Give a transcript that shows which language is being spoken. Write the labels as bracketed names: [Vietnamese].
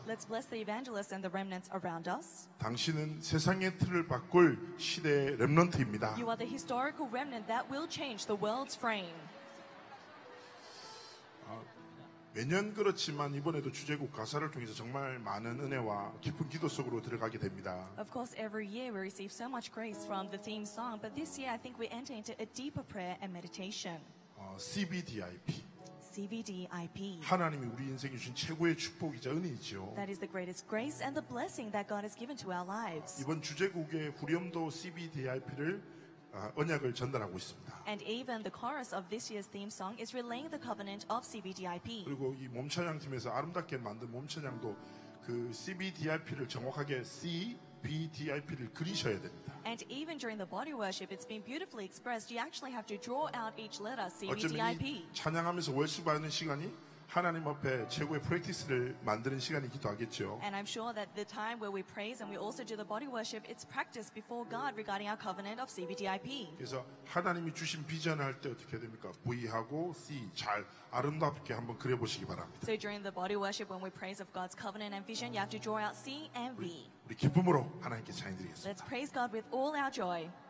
[English] Let's bless the evangelists and the remnants around us. [Korean] 당신은 세상의 틀을 바꿀 시대의 렘넌트입니다. [English] You are the historical remnant that will change the world's frame. [Korean] 매년 그렇지만 이번에도 주제곡 가사를 통해서 정말 많은 은혜와 깊은 기도 속으로 들어가게 됩니다. [English] Of course, every year we receive so much grace from the theme song, but this year I think we enter into a deeper prayer and meditation. CBDIP. CVDIP. [Korean] 하나님이 우리 인생에 주신 최고의 축복이자 은혜죠. [English] That is the greatest grace and the blessing that God has given to our lives. [Korean] 이번 주제곡의 후렴도 CVDIP를 언약을 전달하고 있습니다. [English] And even the chorus of this year's theme song is relaying the covenant of CVDIP. [Korean] 그리고 이 몸찬양팀에서 아름답게 만든 몸찬양도 그 CVDIP를 정확하게 CVDIP를 그리셔야 됩니다. [English] And even during the body worship, it's been beautifully expressed. You actually have to draw out each letter CVDIP. [Korean] 어쩌면 이 찬양하면서 월수받는 시간이 하나님 앞에 최고의 프랙티스를 만드는 시간이기도 하겠죠. [English] And I'm sure that the time where we praise and we also do the body worship, it's practice before God regarding our covenant of CVDIP. [Korean] 그래서 하나님이 주신 비전을 할 때 어떻게 해야 됩니까? V하고 C 잘 아름답게 한번 그려보시기 바랍니다. [English] So during the body worship, when we praise of God's covenant and vision, you have to draw out C and V. [Korean] 우리 기쁨으로 하나님께 찬양드리겠습니다. [English] Let's praise God with all our joy.